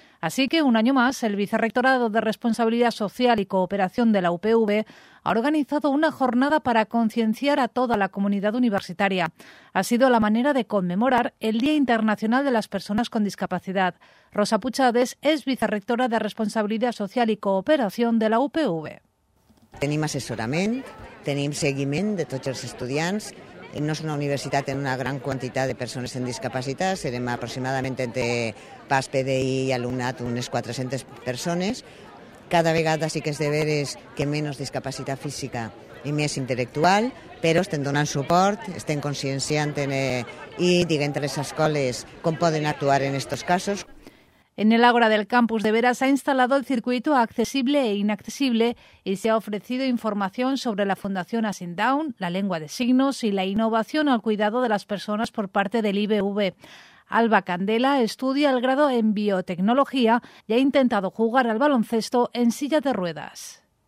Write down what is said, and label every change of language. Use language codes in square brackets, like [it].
[es] Así que, un año más, el Vicerrectorado de Responsabilidad Social y Cooperación de la UPV ha organizado una jornada para concienciar a toda la comunidad universitaria. Ha sido la manera de conmemorar el Día Internacional de las Personas con Discapacidad. Rosa Puchades es vicerrectora de Responsabilidad Social y Cooperación de la UPV. [ca] Tenim assessorament, tenim seguiment de tots els estudiants. No és una universitat en una gran quantitat de persones amb discapacitat, serem aproximadament entre PAS, PDI i alumnat unes 400 persones. Cada vegada sí que es de veres que menys discapacitat física i més intel·lectual, però estem donant suport, estem conscienciant i diguent a les escoles com poden actuar en aquests casos. [es] En el Ágora del Campus de Vera se ha instalado el circuito accesible e inaccesible y se ha ofrecido información sobre la Fundación Asindown, la lengua de signos y la innovación al cuidado de las personas por parte del IBV. Alba Candela estudia el grado en biotecnología y ha intentado jugar al baloncesto en silla de ruedas.